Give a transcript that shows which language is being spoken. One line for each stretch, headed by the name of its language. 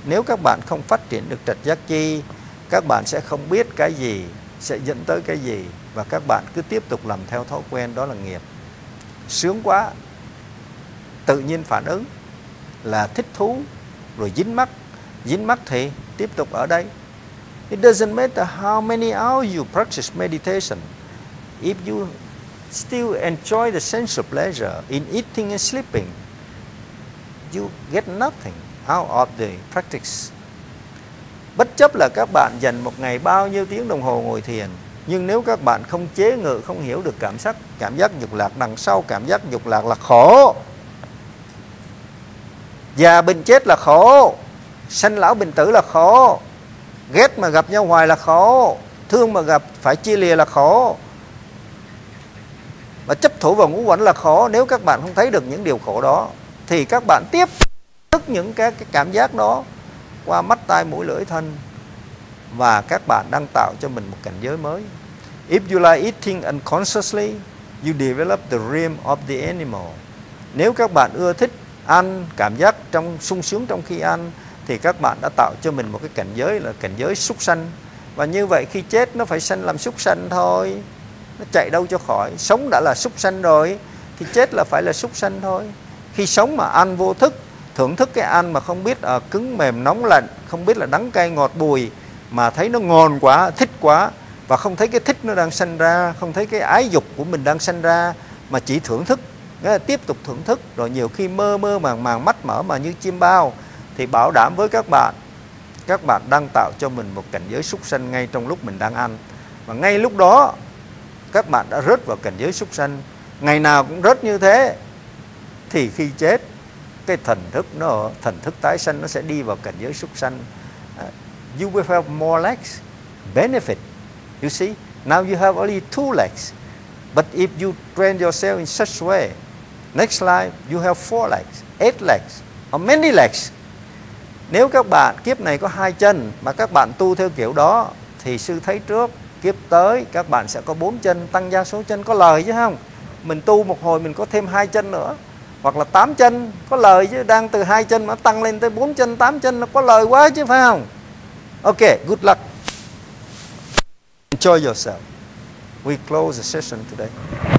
Vietnamese: Nếu các bạn không phát triển được trạch giác chi, các bạn sẽ không biết cái gì sẽ dẫn tới cái gì, và các bạn cứ tiếp tục làm theo thói quen, đó là nghiệp. Sướng quá, tự nhiên phản ứng là thích thú, rồi dính mắc thì tiếp tục ở đây.
English: It doesn't matter how many hours you practice meditation, if you still enjoy the sense of pleasure in eating and sleeping, you get nothing out of the practice.
Vietnamese: Bất chấp là các bạn dành một ngày bao nhiêu tiếng đồng hồ ngồi thiền, nhưng nếu các bạn không chế ngự, không hiểu được cảm giác dục lạc đằng sau, cảm giác dục lạc là khổ. Già bệnh chết là khổ, sanh lão bệnh tử là khổ, ghét mà gặp nhau hoài là khổ, thương mà gặp phải chia lìa là khổ, mà chấp thủ vào ngũ uẩn là khổ. Nếu các bạn không thấy được những điều khổ đó, thì các bạn tiếp tức những cái cảm giác đó qua mắt tai mũi lưỡi thân, và các bạn đang tạo cho mình một cảnh giới mới.
English: If you like eating unconsciously, you develop the dream of the animal.
Vietnamese: Nếu các bạn ưa thích ăn, cảm giác trong sung sướng trong khi ăn, thì các bạn đã tạo cho mình một cái cảnh giới là cảnh giới súc sanh. Và như vậy khi chết nó phải sanh làm súc sanh thôi, nó chạy đâu cho khỏi. Sống đã là súc sanh rồi thì chết là phải là súc sanh thôi. Khi sống mà ăn vô thức, thưởng thức cái ăn mà không biết cứng mềm nóng lạnh, không biết là đắng cay ngọt bùi, mà thấy nó ngon quá, thích quá, và không thấy cái thích nó đang sanh ra, không thấy cái ái dục của mình đang sanh ra, mà chỉ thưởng thức, tiếp tục thưởng thức, rồi nhiều khi mơ mơ màng màng, mắt mở mà như chiêm bao, thì bảo đảm với các bạn đang tạo cho mình một cảnh giới súc sanh ngay trong lúc mình đang ăn. Và ngay lúc đó các bạn đã rớt vào cảnh giới súc sanh, ngày nào cũng rớt như thế, thì khi chết cái thần thức tái sanh nó sẽ đi vào cảnh giới súc sanh.
English: You will have more legs, benefit. You see, now you have only two legs, but if you train yourself in such way, next life you have four legs, eight legs, or many legs.
Vietnamese: Nếu các bạn kiếp này có hai chân mà các bạn tu theo kiểu đó, thì sư thấy trước kiếp tới các bạn sẽ có bốn chân, tăng gia số chân, có lời chứ không? Mình tu một hồi mình có thêm hai chân nữa, hoặc là tám chân, có lời chứ, đang từ hai chân mà tăng lên tới bốn chân, tám chân, nó có lời quá chứ phải không?
English: Ok, good luck. Enjoy yourself. We close the session today.